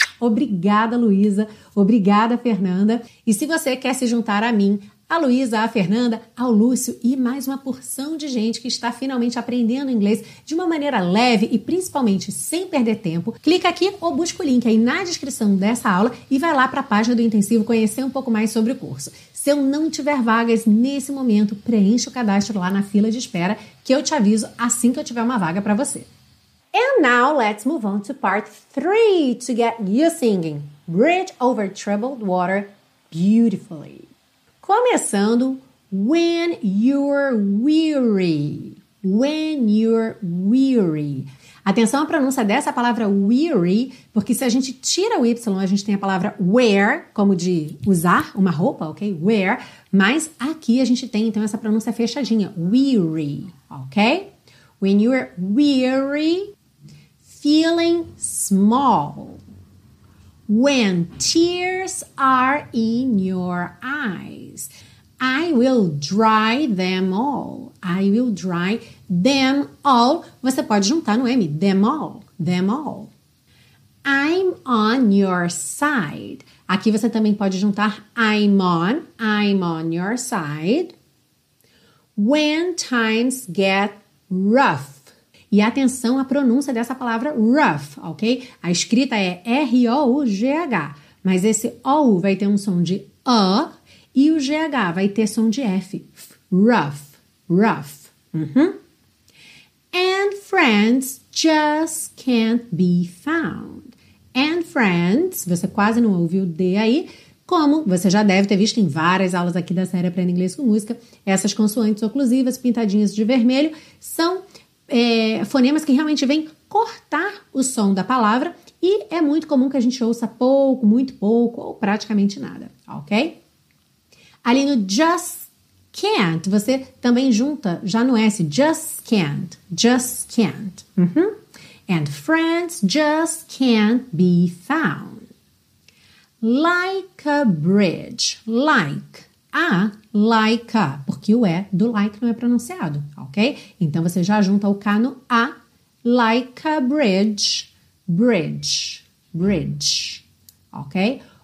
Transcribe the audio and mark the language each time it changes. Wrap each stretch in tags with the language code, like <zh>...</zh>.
<pt>Obrigada, Luísa. Obrigada, Fernanda. E se você quer se juntar a mim, a Luísa, a Fernanda, ao Lúcio e mais uma porção de gente que está finalmente aprendendo inglês de uma maneira leve e principalmente sem perder tempo, clica aqui ou busca o link aí na descrição dessa aula e vai lá para a página do Intensivo conhecer um pouco mais sobre o curso. Se eu não tiver vagas nesse momento, preencha o cadastro lá na fila de espera que eu te aviso assim que eu tiver uma vaga para você.</pt> <en>And now let's move on to part 3 to get you singing Bridge Over Troubled Water beautifully.</en> <pt>Começando,</pt> <en>when you're weary, when you're weary.</en> <pt>Atenção à pronúncia dessa palavra weary, porque se a gente tira o Y, a gente tem a palavra wear, como de usar uma roupa, ok? Wear, mas aqui a gente tem então essa pronúncia fechadinha, weary, ok?</pt> <en>When you're weary, feeling small. When tears are in your eyes, I will dry them all. I will dry them all.</en> <pt>Você pode juntar no M, them all, them all.</pt> <en>I'm on your side.</en> <pt>Aqui você também pode juntar</pt> <en>I'm on your side. When times get rough.</en> <pt>E atenção à pronúncia dessa palavra rough, ok? A escrita é R-O-U-G-H, mas esse O-U vai ter um som de A e o G-H vai ter som de F.</pt> <en>Rough, rough. Uhum. And friends just can't be found.</en> <pt>And friends, você quase não ouviu o D aí, como você já deve ter visto em várias aulas aqui da série Aprenda Inglês com Música, essas consoantes oclusivas pintadinhas de vermelho são fonemas que realmente vêm cortar o som da palavra e é muito comum que a gente ouça pouco, muito pouco ou praticamente nada, ok? Ali no just can't, você também junta já no S, just can't, uhum.</pt> <en>And friends just can't be found. Like a bridge,</en> <pt>like a, like a, porque o E do like não é pronunciado, ok? Então, você já junta o K no A,</pt> <en>Like a bridge, bridge, bridge. Okay?</en>